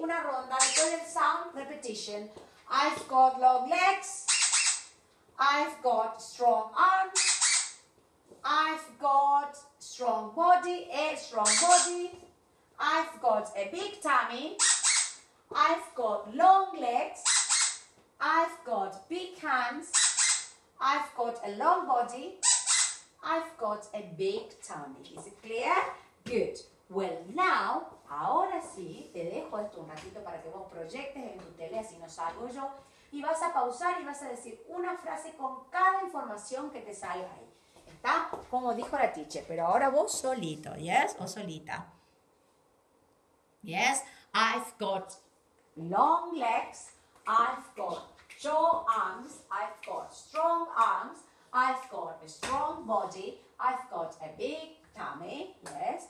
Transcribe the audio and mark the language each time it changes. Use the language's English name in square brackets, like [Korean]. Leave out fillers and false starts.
[Spanish] Una ronda, con el [English] sound repetition, I've got long legs, I've got strong arms, I've got strong body, a strong body, I've got a big tummy, I've got long legs, I've got big hands, I've got a long body, I've got a big tummy. Is it clear? Good. Well, now, [Spanish] ahora sí, te dejo esto un ratito para que vos proyectes en tu tele, así no salgo yo. Y vas a pausar y vas a decir una frase con cada información que te salga ahí. ¿Está? Como dijo la teacher, pero ahora vos solito, ¿yes? O solita. ¿Yes? [English] I've got long legs, I've got short arms, I've got strong arms, I've got a strong body, I've got a big tummy, ¿yes?